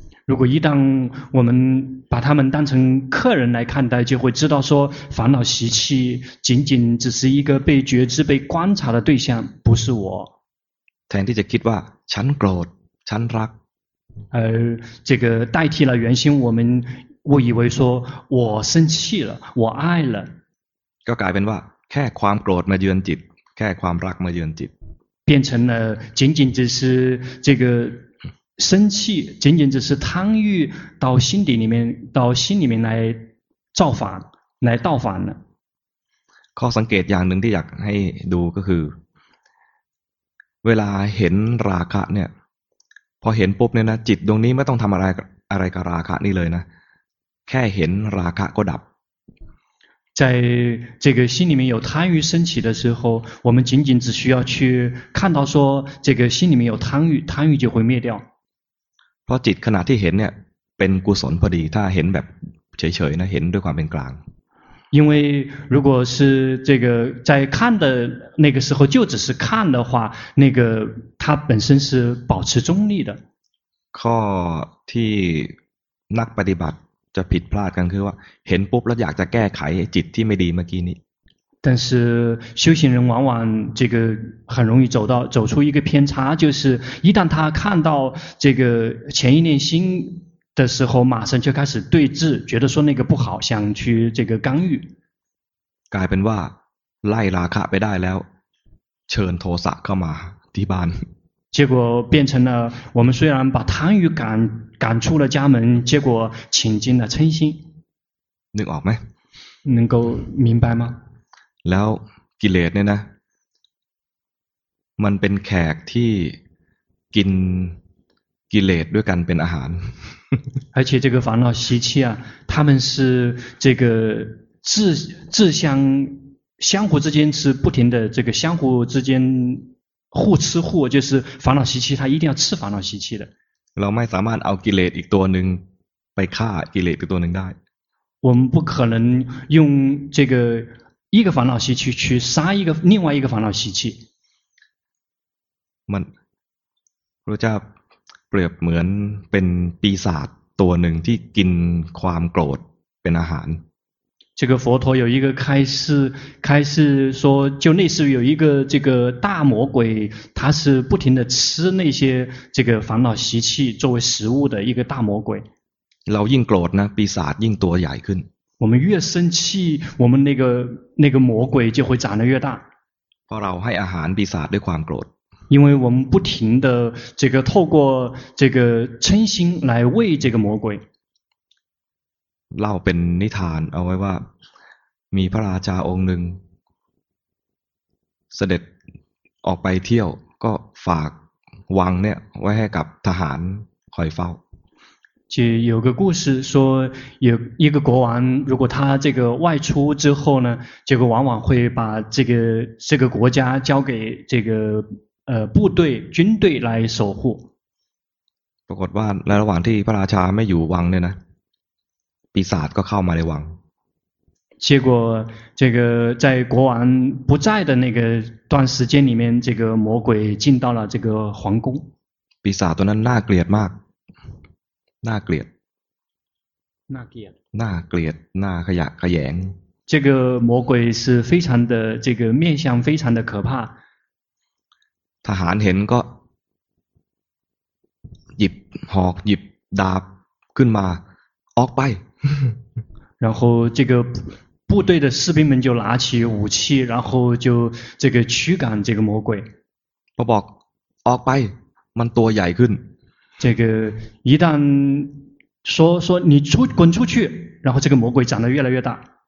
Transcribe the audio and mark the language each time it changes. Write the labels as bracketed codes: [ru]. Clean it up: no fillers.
[zh] 如果一旦我们把他们当成客人来看待，就会知道说烦恼习气仅仅只是一个被觉知、被观察的对象，不是我。 [th] แทนที่จะคิดว่าฉันโกรธ ฉันรัก [zh] 这个代替了原心，我以为说我生气了，我爱了。 [th] ก็กลายเป็นว่าแค่ความโกรธมาเยือนจิตแค่ความรักมาเยือนจิต [zh] 变成了仅仅只是这个生气仅仅只是贪欲到心底里面到心里面来造反来造反了 [th] ข้อสังเกตอย่างหนึ่งที่อยากให้ดูก็คือเวลาเห็นราคะเนี่ยพอเห็นปุ๊บเนี่ยนะจิตดวงนี้ไม่ต้องทำอะไรกับราคะนี่เลยนะแค่เห็นราคะก็ดับ [zh] 在这个心里面有贪欲升起的时候我们仅仅只需要去看到说这个心里面有贪欲贪欲就会灭掉 [th] เพราะจิตขณะที่เห็นเนี่ยเป็นกุศลพอดีถ้าเห็นแบบเฉยๆนะเห็นด้วยความเป็นกลาง [zh] 因为如果是这个在看的那个时候就只是看的话那个它本身是保持中立的 [th] ข้อที่นักปฏิบัติจะผิดพลาดกันคือว่าเห็นปุ๊บแล้วอยากจะแก้ไขจิตที่ไม่ดีเมื่อกี้นี้ [zh] 但是修行人往往这个很容易走出一个偏差就是一旦他看到这个前一念心的时候马上就开始对峙觉得说那个不好想去这个干预 [th] กลายเป็นว่าไล่ราคะไปได้แล้วเชิญโทสะเข้ามาที่บ้าน [zh] 结果变成了我们虽然把贪欲赶出了家门结果请进了嗔心 [th] นึกออกไหม [zh] 能够明白吗 [th] แล้วกิเลสเนี่ยนะมันเป็นแขกที่กินกิเลสด้วยกันเป็นอาหาร [zh] 而且这个烦恼习气啊他们是这个自相相互之间是不停的这个相互之间互吃互就是烦恼习气他一定要吃烦恼习气的 [th] เราไม่สามารถเอากิเลสอีกตัวหนึ่งไปฆ่ากิเลสอีกตัวหนึ่งได้ [zh] 我们不可能用这个一个烦恼习气去杀一个另外一个烦恼习气 [th] มันพระเจ้าเปรียบเหมือนเป็นปีศาจตัวหนึ่งที่กินความโกรธเป็นอาหาร [zh] 这个佛陀有一个开示说就类似于有一个这个大魔鬼他是不停的吃那些这个烦恼习气作为食物的一个大魔鬼 [th] เรายิ่งโกรธนะปีศาจยิ่งตัวใหญ่ขึ้น [zh] 我们越生气我们那个魔鬼就会长得越大 [th] เพราะเราให้อาหารปีศาจด้วยความโกรธ [zh] 因为我们不停的这个透过这个嗔心来喂这个魔鬼 [th] เล่าเป็นนิทานเอาไว้ว่ามีพระราชาองค์หนึ่งเสด็จออกไปเที่ยวก็ฝากวังเนี่ยไว้ให้กับทหารคอยเฝ้า [zh] 就有个故事说有一个国王如果他这个外出之后呢结果往往会把这个国家交给这个部队军队来守护 [th] ปรากฏว่าในระหว่างที่พระราชาไม่อยู่วังเนี่ยนะปีศาจก็เข้ามาในวัง [zh] 结果这个在国王不在的那个段时间里面这个魔鬼进到了这个皇宫 [th] ปีศาจตัวนั้นน่าเกลียดมากน่าเกลียด น่าเกลียด น่าเกลียดน่าขยะแขยง [zh] 这个魔鬼是非常的这个面相非常的可怕 [th] ทหารเห็นก็หยิบหอกหยิบดาบขึ้นมาออกไป [zh] 然后这个部队的士兵们就拿起武器然后就这个驱赶这个魔鬼 [th] บอกออกไปมันตัวใหญ่ขึ้น [zh] 这个一旦说你出滚出去然后这个魔鬼长得越来越大